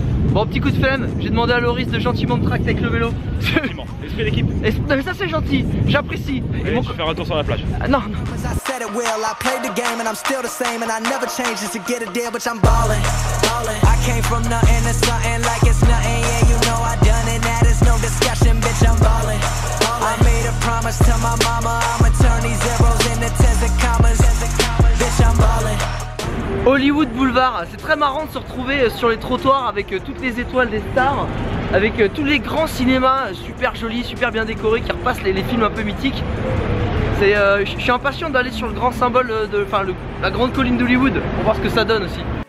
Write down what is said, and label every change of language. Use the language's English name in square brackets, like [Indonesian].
[French] Bon, petit coup de flemme, j'ai demandé à Loris de gentiment me tracter avec le vélo. Gentiment, esprit d'équipe. Mais ça c'est gentil, j'apprécie. Et bon, tu fais un retour sur la plage. Non, non. [English] Well, I played the game and I'm still the same and I never change just to get a deal, but I'm ballin', ballin'. I came from nothing to something like it's nothing, yeah, you know I done it, that is no discussion, bitch, I'm ballin', ballin'. I made a promise to my mama, I'ma turn these zeros into tens of commas, bitch, I'm ballin'. [French] Hollywood Boulevard, c'est très marrant de se retrouver sur les trottoirs avec toutes les étoiles des stars, avec tous les grands cinémas super jolis, super bien décorés qui repassent les films un peu mythiques. Je suis impatient d'aller sur le grand symbole de la grande colline d'Hollywood pour voir ce que ça donne aussi.